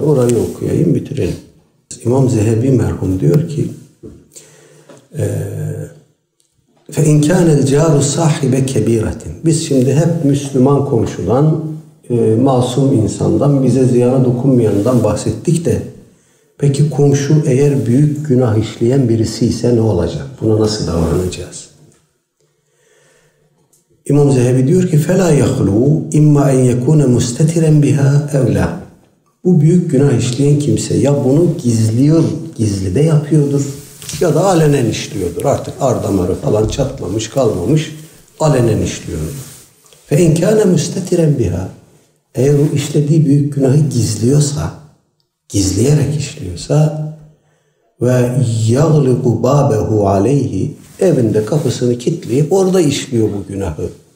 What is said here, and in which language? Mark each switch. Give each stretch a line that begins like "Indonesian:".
Turkish: Orayı okuyayım, bitirelim. İmam Zehebi merhum diyor ki
Arabic: فَاِنْ كَانَ الْجَارُ صَاحِبَ كَب۪يرَةٍ.
Turkish: Biz şimdi hep Müslüman komşudan, masum insandan, bize ziyana dokunmayandan bahsettik de peki komşu eğer büyük günah işleyen birisi ise ne olacak? Buna nasıl davranacağız? İmam Zehebi diyor ki
Arabic: فَلَا يَخْلُوا اِمَّا اَنْ يَكُونَ مُسْتَتِرًا بِهَا اَوْلَا.
Turkish: Bu büyük günah işleyen kimse ya bunu gizliyor, gizlide yapıyordur ya da alenen işliyordur. Artık ar damarı falan çatmamış, kalmamış, alenen işliyordur.
Arabic: فَاِنْ كَانَ مُسْتَتِرًا بِهَا.
Turkish: Eğer o işlediği büyük günahı gizliyorsa, gizleyerek işliyorsa
Arabic: وَيَغْلِقُ بَابَهُ عَلَيْهِ,
Turkish: evinde kapısını kilitleyip orada işliyor bu günahı.